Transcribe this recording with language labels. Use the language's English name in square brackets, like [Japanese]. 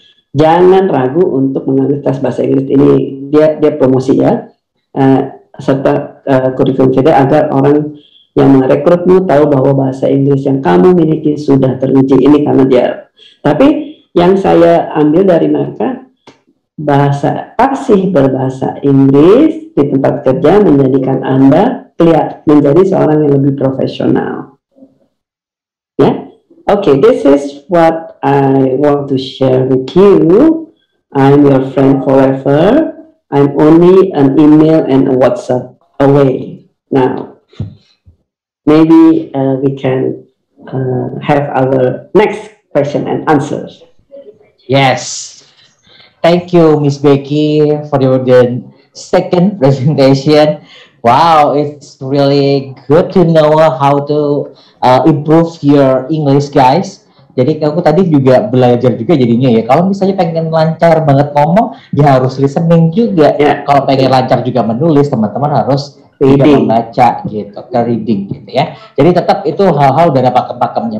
[Indonesian] Jangan ragu untuk mengambil tes bahasa Inggris ini. Dia promosi ya, serta kurikulum VD agar orang yang merekrutmu tahu bahwa bahasa Inggris yang kamu miliki sudah teruji. Ini karena dia. Tapi yang saya ambil dari mereka, bahasa fasih berbahasa Inggris di tempat kerja menjadikan Anda kelihat menjadi seorang yang lebih profesional. [English] Okay, this is what I want to share with you. I'm your friend forever. I'm only an email and a WhatsApp away now. Maybe we can have our next question and answers. Yes. Thank you, Miss Becky, for your second presentation. Wow, it's really good to know how to improve your English, guys. [Indonesian] Jadi aku tadi juga belajar juga jadinya ya. Kalau misalnya pengen lancar banget ngomong, dia harus listening juga. Yeah. Kalau pengen lancar juga menulis, teman-teman harus reading, membaca gitu, ke reading gitu ya. Jadi tetap itu hal-hal udah ada pakem-pakemnya.